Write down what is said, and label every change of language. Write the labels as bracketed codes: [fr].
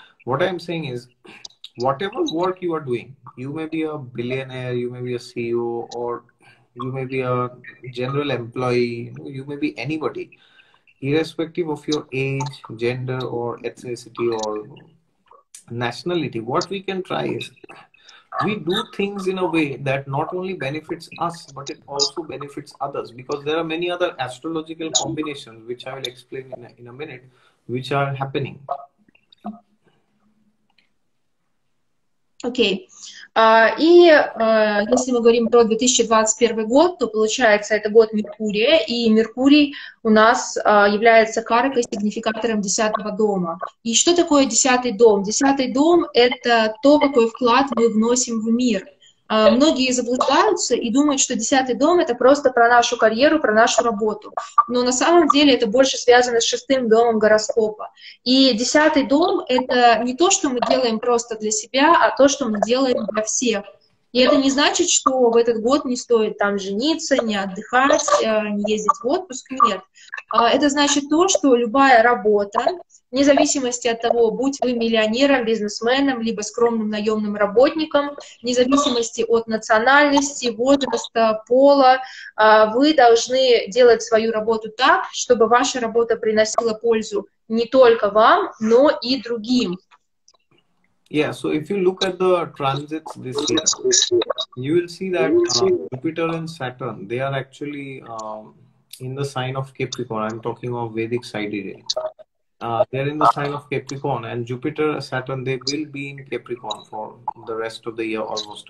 [en] What I'm saying is, whatever work you are doing, you may be a billionaire, you may be a CEO, or you may be a general employee, you may be anybody, irrespective of your age, gender, or ethnicity, or nationality, what we can try is, we do things in a way that not only benefits us, but it also benefits others, because there are many other astrological combinations, which I will explain in a minute, which are happening. [ru] Окей. И если мы говорим про 2021 год, то получается это год Меркурия, и Меркурий у нас является каркой, сигнификатором 10-го дома. И что такое 10-й дом? 10-й дом — это то, какой вклад мы вносим в мир. Многие заблуждаются и думают, что 10-й дом — это просто про нашу карьеру, про нашу работу. Но на самом деле это больше связано с 6-м домом гороскопа. И 10-й дом — это не то, что мы делаем просто для себя, а то, что мы делаем для всех. И это не значит, что в этот год не стоит там жениться, не отдыхать, не ездить в отпуск, нет. Это значит то, что любая работа, вне зависимости от того, будь вы миллионером, бизнесменом, либо скромным наемным работником, вне зависимости от национальности, возраста, пола, вы должны делать свою работу так, чтобы ваша работа приносила пользу не только вам, но и другим. [en] Yeah, so if you look at the transits this year, you will see that Jupiter and Saturn, they are actually in the sign of Capricorn. I'm talking of Vedic sidereal. They're in the sign of Capricorn, and Jupiter, Saturn, they will be in Capricorn for the rest of the year almost.